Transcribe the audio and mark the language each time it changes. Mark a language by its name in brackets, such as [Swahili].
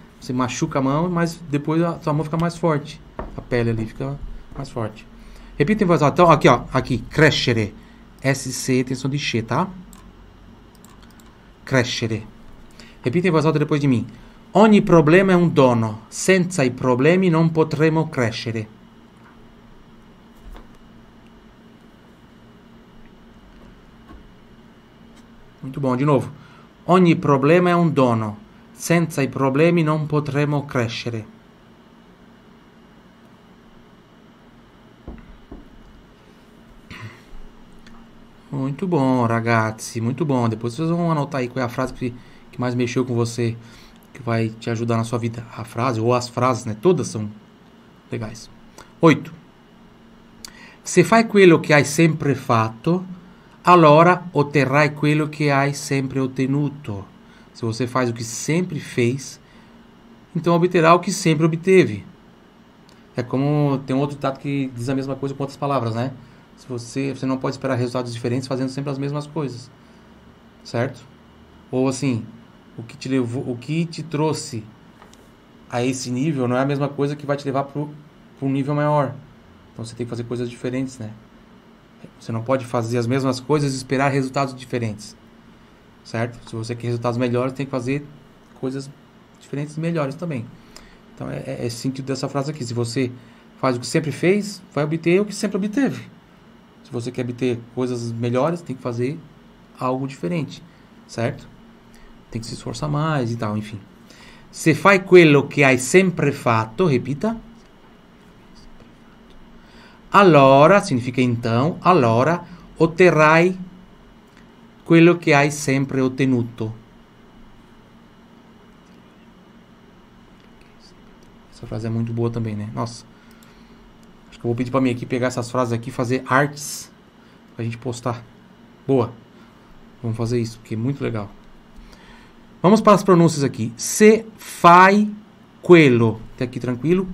[Portuguese] Você machuca a mão, mas depois a sua mão fica mais forte. A pele ali fica mais forte. Repita em voz alta. Então, aqui, ó. Aqui. Crescere. S-C, tem som de X, tá? Crescere. Repita em voz alta depois de mim. [Italian] Ogni problema è un dono. Senza i problemi non potremo crescere. Molto buono, di nuovo. Ogni problema è un dono. Senza i problemi non potremo crescere. Molto buono, ragazzi. Molto buono. [Portuguese] Depois vocês vão anotar aí qual é a frase che mais mexeu com você. Que vai te ajudar na sua vida. A frase, ou as frases, né? Todas são legais. 8. [Italian] Se fai quello che hai sempre fatto, allora otterrai quello che hai sempre ottenuto. [Portuguese] Se você faz o que sempre fez, então obterá o que sempre obteve. É como tem um outro ditado que diz a mesma coisa com outras palavras, né? Se você não pode esperar resultados diferentes fazendo sempre as mesmas coisas. Certo? Ou assim, o que te levou, o que te trouxe a esse nível não é a mesma coisa que vai te levar para um nível maior. Então você tem que fazer coisas diferentes, né? Você não pode fazer as mesmas coisas e esperar resultados diferentes. Certo? Se você quer resultados melhores, tem que fazer coisas diferentes e melhores também. Então é sentido dessa frase aqui. Se você faz o que sempre fez, vai obter o que sempre obteve. Se você quer obter coisas melhores, tem que fazer algo diferente. Certo? Tem que se esforçar mais e tal, enfim. [Italian] Se fai quello che hai sempre fatto, [Portuguese] repita. [Italian] Allora, [Portuguese] significa então, [Italian] allora otterrai quello che hai sempre ottenuto. [Portuguese] Essa frase é muito boa também, né? Nossa. Acho que eu vou pedir pra minha equipe pegar essas frases aqui e fazer artes pra gente postar. Boa. Vamos fazer isso, porque é muito legal. Vamos para as pronúncias aqui. [Italian] Se fai quello. [Portuguese] Até aqui tranquilo.